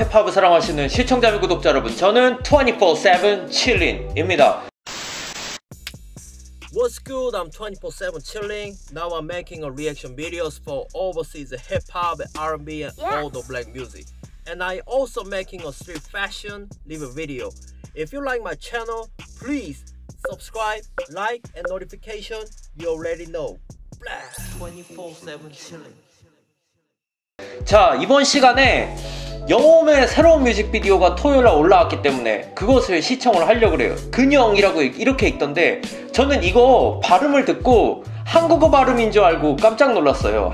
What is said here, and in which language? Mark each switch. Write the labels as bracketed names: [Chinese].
[Korean] 힙합을 사랑하시는 시청자및 구독자 여러분, 저는 24/7 칠링입니다. [English] 워스크, I'm 24/7 칠링. Now I'm making a reaction videos for overseas hip hop, R&B, and all the black music. And I also making a street fashion live video. If you like my channel, please subscribe, like, and notification. You already know. Blast 24/7 chilling. [Korean] 자, 이번 시간에 여홈의 새로운 뮤직비디오가 토요일에 올라왔기 때문에 그것을 시청을 하려고 그래요. 근영이라고 이렇게 읽던데 저는 이거 발음을 듣고 한국어 발음인 줄 알고 깜짝 놀랐어요.